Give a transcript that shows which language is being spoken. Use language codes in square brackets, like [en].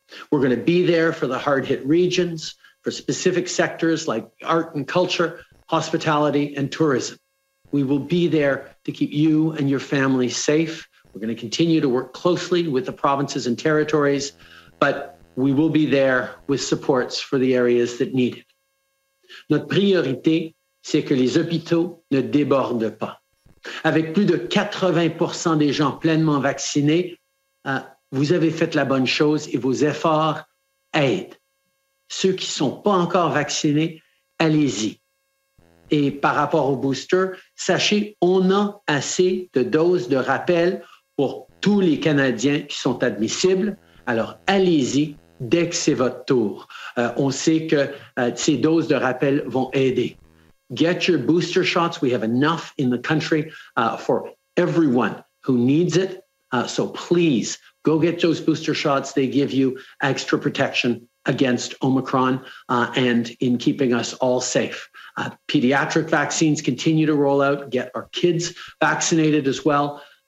[en] We're going to be there for the hard-hit regions, for specific sectors like art and culture, hospitality, and tourism. We will be there to keep you and your family safe. We're going to continue to work closely with the provinces and territories, but we will be there with supports for the areas that need it. [fr] Notre priorité, c'est que les hôpitaux ne débordent pas. Avec plus de 80% des gens pleinement vaccinés, vous avez fait la bonne chose et vos efforts aident. Ceux qui ne sont pas encore vaccinés, allez-y. Et par rapport au booster, sachez, on a assez de doses de rappel pour tous les Canadiens qui sont admissibles. Alors, allez-y dès que c'est votre tour. On sait que ces doses de rappel vont aider. [en] Get your booster shots. We have enough in the country for everyone who needs it. So please go get those booster shots. They give you extra protection against Omicron and in keeping us all safe. Pediatric vaccines continue to roll out, get our kids vaccinated as well.